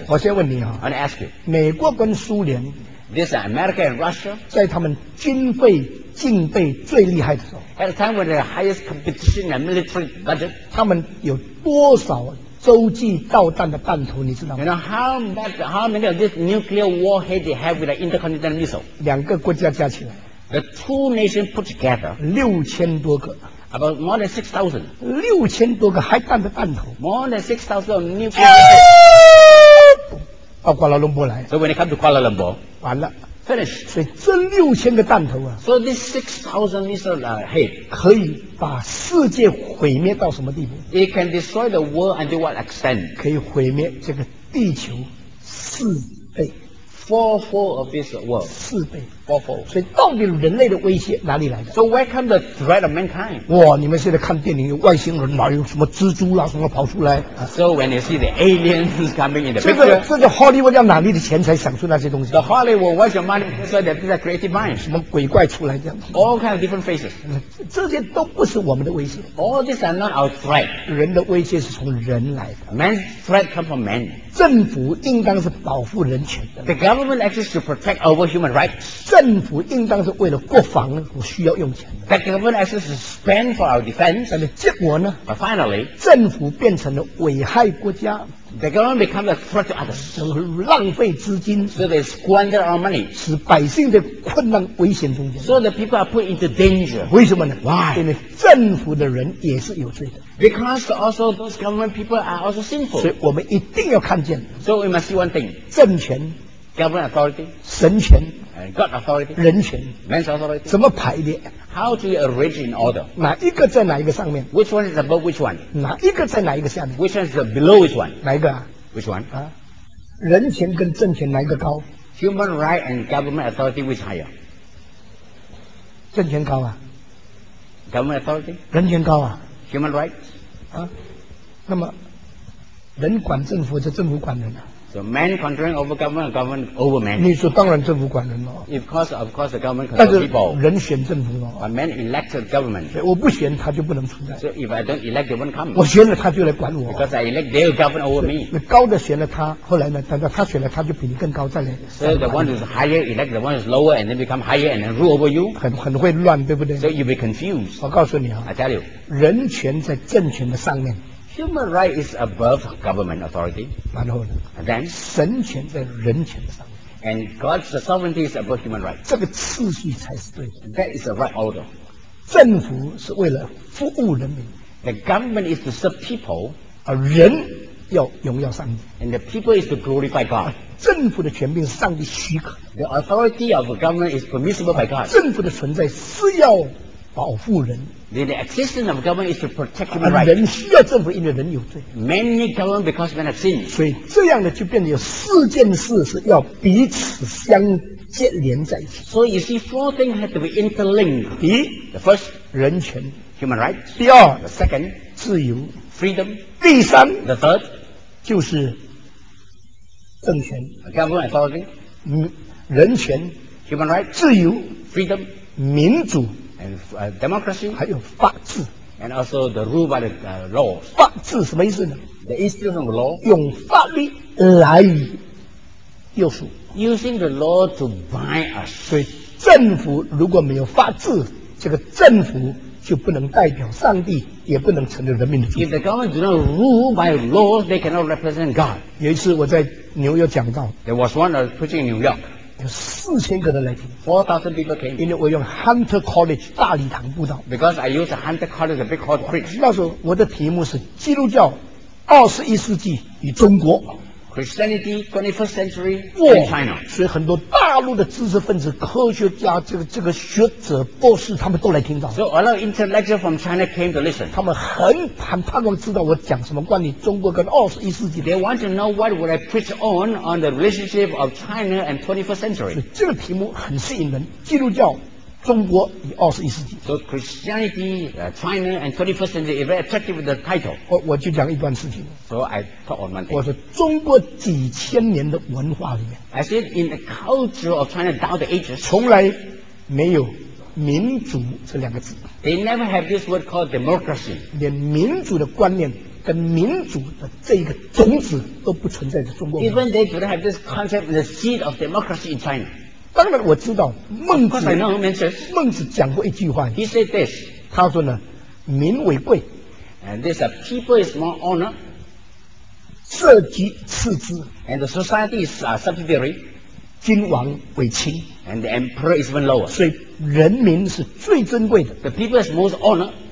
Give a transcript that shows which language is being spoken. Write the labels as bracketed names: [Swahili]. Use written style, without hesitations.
[Chinese] 我先问你 [English] I want to ask you. [Chinese] 美国跟苏联 [English] This America and Russia. [Chinese] 在他们军费竞备最厉害的时候 [English] At a time when the highest competition and military budget. [Chinese] 他们有多少洲际导弹的弹头，你知道吗 [English] ？You know how many of this nuclear warhead they have with an intercontinental missile？ [Chinese] 两个国家加起来 [English] ，the two nations put together， [Chinese] 6000多个 [English] ，about more than 6000。 [Chinese] 六千多个海弹的弹头 [English] ，more than 6000 nuclear。 [Chinese] 到瓜拉隆波来 [English] ，so when it comes to Kuala Lumpur， [Chinese] 完了 [English] ，finish。 [Chinese] 所以这六千个弹头啊 [English] ，so this 6000 missile head [Chinese] 可以。把世界毁灭到什么地步 [English] ？It can destroy the world until what extent？ [Chinese] 可以毁灭这个地球四倍 [English] ，fourfold of this world。 [Chinese] 四倍 [English] ，fourfold。 [Chinese] 所以到底人类的威胁哪里来的 [English] ？So where come the threat of mankind？ [Chinese] 哇，你们现在看电影有外星人，哪有什么蜘蛛啦、啊、什么跑出来 [English] ？So when you see the aliens coming in the picture， [Chinese] 这个 Hollywood 要哪里的钱才想出那些东西 [English] ？The Hollywood wants your money so that these are creative minds。 [Chinese] 什么鬼怪出来这样 [English] ？All kind of different faces。 [Chinese] 这些都不是我们的威胁。 [English] All these are not our threat。 [Chinese] 人的威胁是从人来的。 [English] Man's threat comes from man。 [Chinese] 政府应当是保护人权的。 [English] The government exists to protect over human rights。 [Chinese] 政府应当是为了国防所需要用钱的。 [English] The government exists to spend for our defense。 [Chinese] 但是结果呢 [English] ？But finally， [Chinese] 政府变成了危害国家。 [English] The government becomes a threat to others， [Chinese] 就是浪费资金 [English] ，so they squander our money， [Chinese] 使百姓在困难危险中间 [English] ，so the people are put into danger。 [Chinese] 为什么呢 [English] ？Why？ [Chinese] 因为政府的人也是有罪的。 [English] Because also those government people are also sinful。 [Chinese] 所以我们一定要看见。 [English] So we must see one thing： [Chinese] 政权 [English] ，government authority； [Chinese] 神权 [English] ，God authority； [Chinese] 人权 [English] ，man's authority。 [Chinese] 怎么排列 [English] ？How to arrange in order？ [Chinese] 哪一个在哪一个上面 [English] ？Which one is above which one？ [Chinese] 哪一个在哪一个下面 [English] ？Which one is below which one？ [Chinese] 哪一个啊 [English] ？Which one？ [Chinese] 啊，人权跟政权哪一个高 [English] ？Human right and government authority which higher？ [Chinese] 人权高啊 [English] Government authority [Chinese] 人权高啊 [English] Human rights [Chinese] 啊，那么人管政府就政府管人啊。 [English] So man controlling over government, government over man. [Chinese] 你说当然政府管人了。 [English] Of course the government controls people. [Chinese] 但是人选政府了。 [English] But man elected government. [Chinese] 我不选他就不能存在。 [English] So if I don't elect, they won't come. [Chinese] 我选了他就来管我。 [English] Because I elect, they'll govern over me. [Chinese] 你高的选了他，后来呢？等到他选了，他就比你更高，再来。 [English] So the one who's higher elect, the one who's lower, and then become higher and then rule over you. [Chinese] 很会乱，对不对 [English] ？So you be confused. [Chinese] 我告诉你啊。 [English] I tell you. [Chinese] 人权在政权的上面。 [English] Human right is above government authority. [Chinese] 然后呢 [English] ？Then [Chinese] 神权在人权上。 [English] And God's sovereignty is above human right. [Chinese] 这个次序才是对的。 [English] That is the right order. [Chinese] 政府是为了服务人民。 [English] The government is to serve people. [Chinese] 而人要荣耀上帝。 [English] And the people is to glorify God. [Chinese] 政府的权柄是上帝许可。 [English] The authority of the government is permissible by God. [Chinese] 政府的存在是要保护人。 [English] The existence of government is to protect human rights. [Chinese] 人需要政府，因为人有罪。 [English] Many government because men have sinned. [Chinese] 所以这样的就变得有四件事是要彼此相接连在一起。 [English] So you see, four things have to be interlinked. [Chinese] 第一 [English] ，the first， [Chinese] 人权 [English] ，human rights. [Chinese] 第二 [English] ，the second， [Chinese] 自由 [English] ，freedom. [Chinese] 第三 [English] ，the third， [Chinese] 就是政权 [English] ，government authority. [Chinese] 人权 [English] ，human rights， [Chinese] 自由 [English] ，freedom， [Chinese] 民主。 [English] And democracy, [Chinese] 还有法治 [English] and also the rule by the law. [Chinese] 法治什么意思呢 [English] ？The institution of law, [Chinese] 用法律来约束 [English] ，using the law to bind us. [Chinese] 所以政府如果没有法治，这个政府就不能代表上帝，也不能成为人民的主。 [English] If the government do not rule by law, they cannot represent God. [Chinese] 有一次我在纽约讲到 [English] ，There was one preaching in New York. [Chinese] 有四千个人来听 [English] 4,000 people came [Chinese] 因为我用 Hunter College 大礼堂布道 [English] Because I use Hunter College, a big hall to preach [Chinese] 那时候我的题目是基督教21世纪与中国 [English] Christianity 21st century and China [Chinese] 所以很多大陆的知识分子科学家这个学者博士他们都来听到 [English] So a lot of intellectuals from China came to listen [Chinese] 他们很盼望知道我讲什么关于中国跟21世纪 [English] They want to know what would I preach on the relationship of China and 21st century [Chinese] 这个题目很吸引人基督教中国与二十一世纪 [English] So Christianity, China and 21st century is very attractive with the title [Chinese] 我就讲一段事情 [English] So I talk on one thing [Chinese] 我说中国几千年的文化里面 [English] I said in the culture of China down the ages [Chinese] 从来没有民主这两个字 [English] They never have this word called democracy [Chinese] 连民主的观念跟民主的这个种子都不存在在中国 [English] Even they do not have this concept the seed of democracy in China [Chinese] 当然我知道孟子讲过一句话 [English] He said this, [Chinese] 他说呢民为贵 [English] and this, people is more honor [Chinese] 社稷次之 [English] and the society is subsidiary [Chinese] 君王为轻 [English] and the emperor is even lower [Chinese] 所以人民是最珍贵的 [English] the people is most honor